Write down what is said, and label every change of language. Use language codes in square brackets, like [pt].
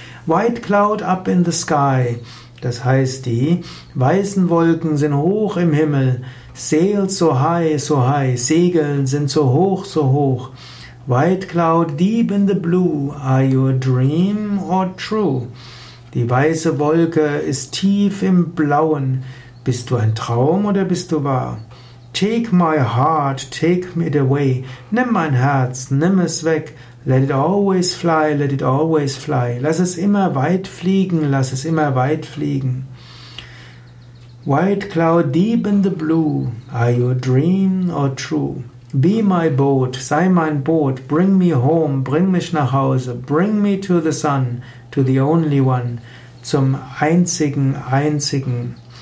[en] White Cloud Up in the Sky, [de] das heißt, die weißen Wolken sind hoch im Himmel, [en] sails so high, [de] Segeln sind so hoch, [en] White Cloud Deep in the Blue, are you a dream or true? [de] Die weiße Wolke ist tief im Blauen. Bist du ein Traum oder bist du wahr? [en] Take my heart, take it away. [de] Nimm mein Herz, nimm es weg. [en] Let it always fly, let it always fly. [de] Lass es immer weit fliegen, lass es immer weit fliegen. [en] White cloud deep in the blue. Are you a dream or true? Be my boat, [de] sei mein Boot. [en] Bring me home, [de] bring mich nach Hause. [en] Bring me to the sun. To the only one, [de] zum einzigen, einzigen.